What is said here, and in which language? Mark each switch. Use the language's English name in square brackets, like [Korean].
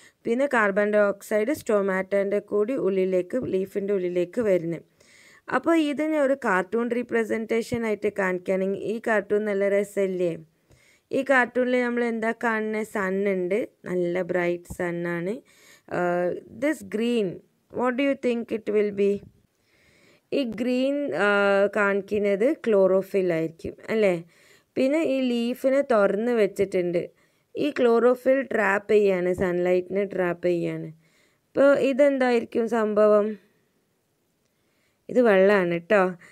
[Malayalam] പിന്നെ carbon dioxide സ്റ്റൊമാറ്റോൻ്റെ കൂടി ഉള്ളിലേക്ക്, ലീഫിൻ്റെ ഉള്ളിലേക്ക് വരുന്നത്. അപ്പോൾ ഇത് ഞാൻ ഒരു കാർട്ടൂൺ റീപ്രസെൻറ്റേഷൻ ആയിട്ട് കാണിക്കുകയാണെങ്കിൽ, ഈ കാർട്ടൂൺ നല്ല രസമല്ലേ? ഈ കാർട്ടൂണിൽ നമ്മൾ എന്താ കാണുന്നത്, സൺ ഉണ്ട്, നല്ല bright സണ്ണാണ്. [English] This green, what do you think it will be? [Malayalam] ഈ ഗ്രീൻ കാണിക്കുന്നത് ക്ലോറോഫിൽ ആയിരിക്കും അല്ലേ. പിന്നെ ഈ ലീഫിനെ തുറന്ന് വെച്ചിട്ടുണ്ട്. ഈ ക്ലോറോഫിൽ ട്രാപ്പ് ചെയ്യാണ്, സൺലൈറ്റിനെ ട്രാപ്പ് ചെയ്യാണ്. ഇപ്പോൾ ഇതെന്തായിരിക്കും സംഭവം? ഇത് വെള്ളമാണ് കേട്ടോ.